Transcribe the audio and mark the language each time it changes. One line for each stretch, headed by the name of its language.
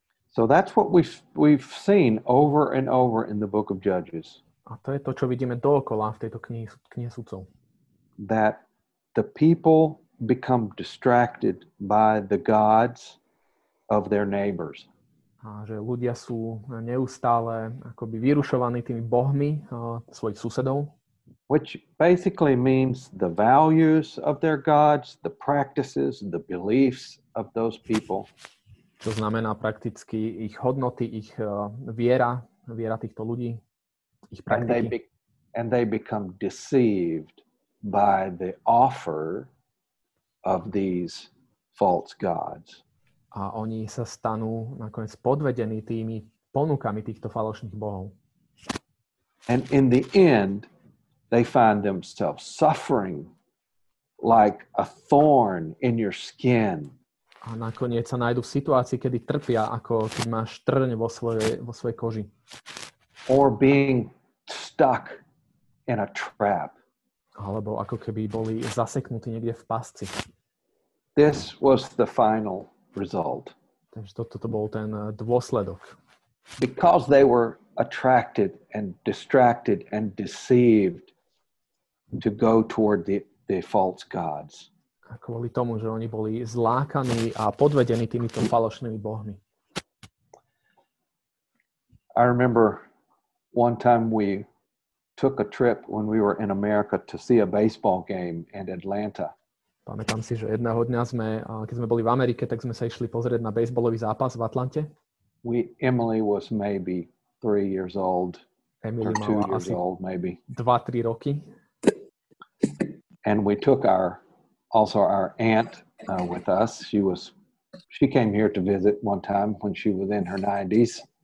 English: So that's what we've seen over and over in the book of Judges.
Slovak: A to je to, čo vidíme dookola v tejto knihe sudcov.
English: That the people become distracted by the gods of their neighbors.
Slovak: A že ľudia sú neustále akoby vyrušovaní tými bohmi svojich susedov.
English: Which basically means the values of their gods, the practices, the beliefs of those people.
Slovak: Čo znamená prakticky ich hodnoty, ich viera, viera týchto ľudí, ich praktiky.
English: And they become deceived by the offer of these false gods.
Slovak: A oni sa stanú nakoniec podvedení tými ponukami týchto falošných bohov.
English: And in the end, they find themselves suffering like a thorn in your skin.
Slovak: A nakoniec sa nájdu v situácii, kedy trpia, ako keď máš trň vo svojej koži.
English: Or being stuck in a trap.
Slovak: Alebo ako keby boli zaseknutí niekde v pasci.
English: This was the final result.
Slovak: Takže toto bol ten dôsledok.
English: Because they were attracted and distracted and deceived to go toward the false gods.
Slovak: A kvôli tomu, že oni boli zlákaní a podvedení týmito falošnými bohmi.
English: I remember one time we took a trip when we were in America to see a baseball game in Atlanta.
Slovak: Pamätám si, že jedného dňa sme, keď sme boli v Amerike, tak sme sa išli pozrieť na baseballový zápas v Atlante.
English: Emily was maybe 3 years old.
Slovak: Emily
English: or 2 years old maybe.
Slovak: 2-3 roky.
English: And we took our aunt with us. She came here to visit one time when she was in her 90s.